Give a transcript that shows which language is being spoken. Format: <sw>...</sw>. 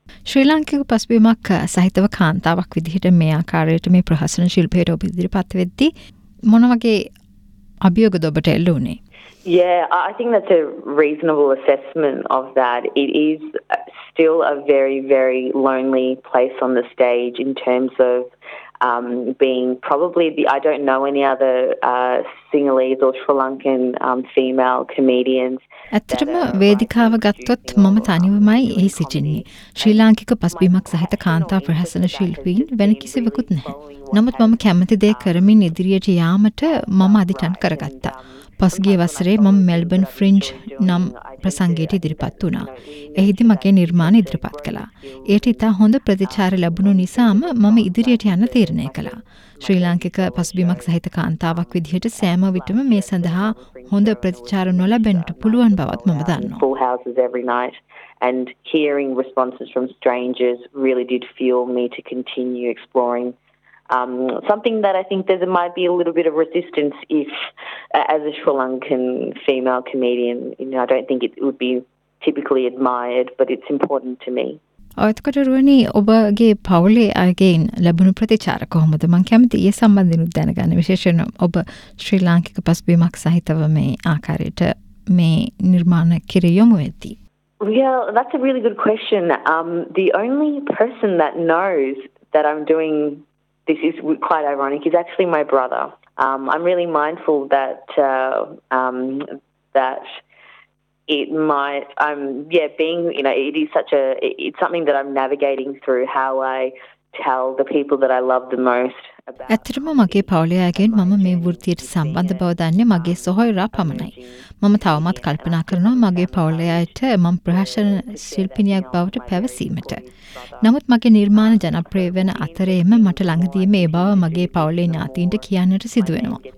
<si>ශ්‍රී ලාංකික පසුබිමක් සහිතව කාන්තාවක් විදිහට මේ ආකාරයට මේ ප්‍රහසන ශිල්පයට ඔබ ඉදිරිපත් වෙද්දී මොන වගේ අභියෝග ඔබට එල්ලුණේ?</si> <en>Yeah, I think that's a reasonable assessment of that. It is still a very, very lonely place on the stage in terms of being probably the, I don't know any other Sinhalese or Sri Lankan female comedians.</en> <si>ඇත්තටම වේදිකාව ගත්තොත් මම තනිවමයි එහි සිටින්නේ. ශ්‍රී ලාංකික පසුබිමක් සහිත කාන්තා ප්‍රහසන ශිල්පීන් වෙන කිසිවෙකුත් නැහැ. නමුත් මම කැමති දේ කරමින් ඉදිරියට යාමට මම අදිටන් කරගත්තා. පසුගිය වසරේ මම මෙල්බර්න් ෆ්‍රින්ජ් නම් ප්‍රසංගයට ඉදිරිපත් වුණා. එහිදී මගේ නිර්මාණ ඉදිරිපත් කළා. ඒට ඉතා හොඳ ප්‍රතිචාර ලැබුණු නිසාම මම ඉදිරියට යන්න තීරණය කළා. ශ්‍රී ලාංකික පසුබිමක් සහිත කාන්තාවක් විදිහට සෑම විටම මේ සඳහා හොඳ ප්‍රතිචාර නොලැබෙන්නට පුළුවන් බවත් මම දන්නවා.</si> <en>And hearing responses from strangers really did fuel me to continue exploring something that I think there might be a little bit of resistance if as a Sri Lankan female comedian, you know, I don't think it would be typically admired, but it's important to me.</en> <si>එතකොට රුවනි, ඔබගේ පවුලේ අයගෙන් ලැබුණු ප්‍රතිචාර කොහොමද? මං කැමති ඒ සම්බන්ධයෙන් දැනගන්න, විශේෂයෙන් ඔබ ශ්‍රී ලාංකික පසුබිමක් සහිතව මේ ආකාරයට මේ නිර්මාණ කිරීම යොමු වෙද්දී.</si> <en>Yeah, that's a really good question. The only person that knows that I'm doing this is quite ironic is actually my brother. I'm really mindful that that it might it's something that I'm navigating through how I tell the people that I love the most about.</en> <si>ඇත්තටම මගේ පවුලේ අයගෙන් මම මේ වෘත්තියට සම්බන්ධ බව දන්නේ මගේ සොහොයුරා පමණයි. මම තවමත් කල්පනා කරනවා මගේ පවුලේ අයට මම ප්‍රහසන ශිල්පිනියක් බවට පැවසීමට. නමුත් මගේ නිර්මාණ ජනප්‍රිය වෙන අතරේම මට ළඟදී මේ බව මගේ පවුලේ ඥාතීන්ට කියන්නට සිදු වෙනවා.</si>